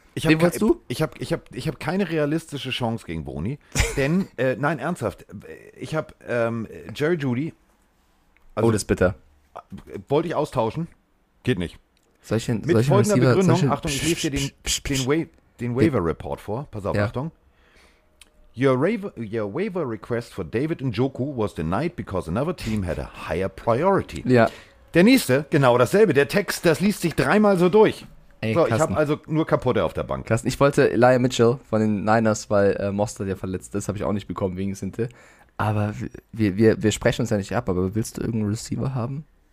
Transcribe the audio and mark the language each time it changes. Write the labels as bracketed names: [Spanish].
[German] Ich hab keine realistische Chance gegen Boni, denn, nein, ernsthaft, ich hab Jerry Jeudy. Also, oh, das ist bitter. Wollte ich austauschen, geht nicht. Soll ich mit folgender Begründung, Achtung, ich lese dir den Waiver. den Waiver Report vor. Pass auf, ja. Achtung. [English] Your waiver request for David Njoku was denied because another team had a higher priority. [German] Ja. Der nächste, genau dasselbe. Der Text, das liest sich dreimal so durch. Ey, so, ich habe also nur Kapotte auf der Bank. Carsten, ich wollte Elijah Mitchell von den Niners, weil Mostert ja verletzt ist, habe ich auch nicht bekommen wegen Sinte. Aber wir sprechen uns ja nicht ab, aber willst du irgendeinen Receiver haben?